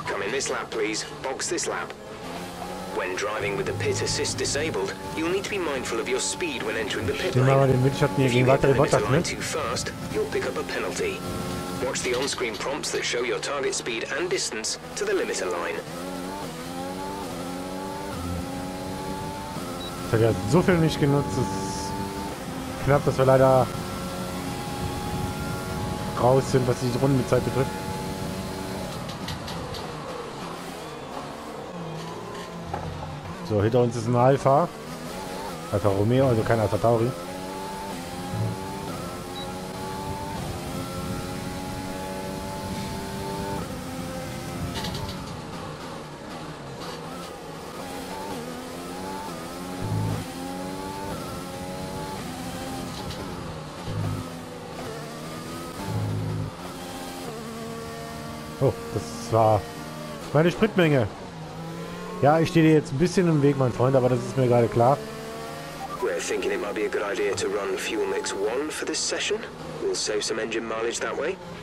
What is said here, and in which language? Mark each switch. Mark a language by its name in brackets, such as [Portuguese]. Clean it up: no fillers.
[English] This lap, please. Box this lap. When driving with the pit assist disabled, you'll need to be mindful of your speed when entering the pit lane. If you get the limiter line too fast, you'll pick up a penalty. Watch the on-screen prompts that show your target speed and distance to the limiter line. [German] Wir haben so viel nicht genutzt, es ist knapp, dass wir leider raus sind, was die Rundenzeit betrifft. So, hinter uns ist ein Alpha. Alpha Romeo, also kein Alpha Tauri. Oh, das war meine Spritmenge. Ja, ich stehe dir jetzt ein bisschen im Weg, mein Freund, aber das ist mir gerade klar. [English] We're thinking it might be a good idea to run fuel mix 1 for this session. We'll save some engine mileage that way.